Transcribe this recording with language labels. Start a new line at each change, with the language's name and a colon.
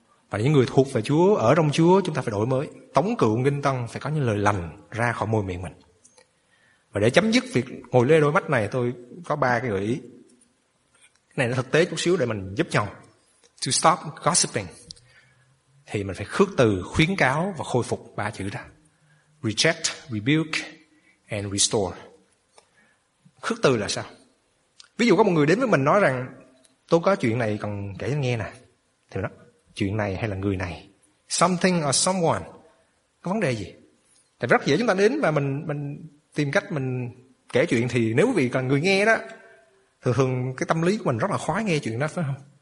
Vietnamese: Và những người thuộc về Chúa, ở trong Chúa, chúng ta phải đổi mới. Tống cựu nghinh tân, phải có những lời lành ra khỏi môi miệng mình. Và để chấm dứt việc ngồi lê đôi mắt này, tôi có ba cái gợi ý. Cái này nó thực tế chút xíu để mình giúp nhau.
English: To stop gossiping.
Vietnamese: Thì mình phải khước từ, khuyến cáo và khôi phục ba chữ ra.
English: Reject, rebuke and restore.
Vietnamese: Khước từ là sao? Ví dụ có một người đến với mình nói rằng tôi có chuyện này cần kể anh nghe nè. Thì nó, chuyện này hay là người này,
English: something or someone,
Vietnamese: có vấn đề gì? Tại rất dễ chúng ta đến và mình tìm cách mình kể chuyện, thì nếu quý vị còn người nghe đó, thường thường cái tâm lý của mình rất là khoái nghe chuyện đó, phải không?